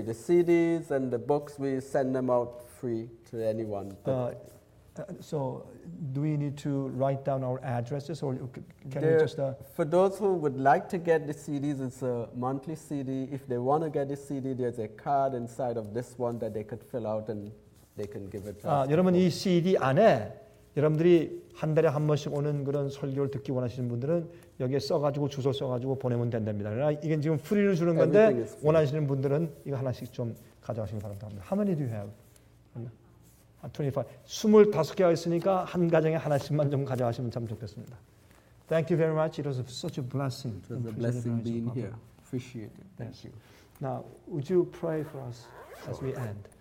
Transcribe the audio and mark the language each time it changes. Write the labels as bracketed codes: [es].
[en] The CDs and the books, we send them out free to anyone. So do we need to write down our addresses or can there, we just... For those who would like to get the CDs, it's a monthly CD. If they want to get the CD, there's a card inside of this one that they could fill out and they can give it to us. [ko] 여러분, 이 CD 안에 여러분들이 한 달에 한 번씩 오는 그런 설교를 듣기 원하시는 분들은 여기에 써가지고 주소 써가지고 보내면 된답니다. 이건 지금 프리를 주는 건데 원하시는 분들은 이거 하나씩 좀 가져가시기 바랍니다. [en] How many do you have? 25. [ko] 25개가 있으니까 한 가정에 하나씩만 좀 가져가시면 참 좋겠습니다. [en] Thank you very much. It was such a blessing. It was a blessing being here. Appreciate it. Thank you. Now, would you pray for us as we end?